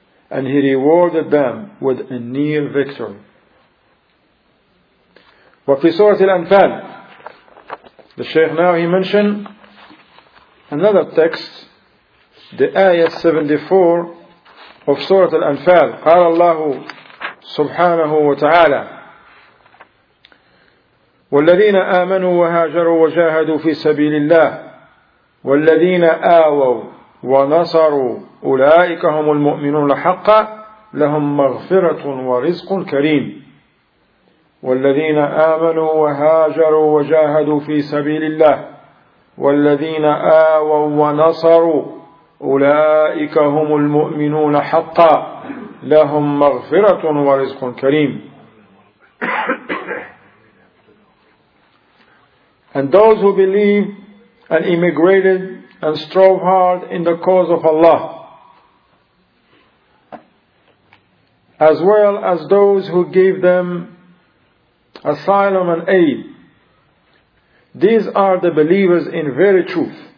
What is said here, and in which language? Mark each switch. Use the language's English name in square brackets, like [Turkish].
[English] And he rewarded them with a near victory. [Arabic] وفي سورة الأنفال, [English] the Shaykh now he mentioned another text, the ayah 74 of Surah Al-Anfal. [Arabic] قال الله سبحانه وتعالى والذين آمنوا وهاجروا وجاهدوا في سبيل الله والذين آووا ونصروا أولئك هم المؤمنون حقا لهم مغفرة ورزق كريم. والذين آمنوا وهاجروا وجاهدوا في سبيل الله والذين آووا ونصروا أولئك هم المؤمنون حقا لهم مغفرة ورزق كريم. [English] And those who believed and immigrated and strove hard in the cause of Allah, as well as those who gave them asylum and aid, these are the believers in very truth.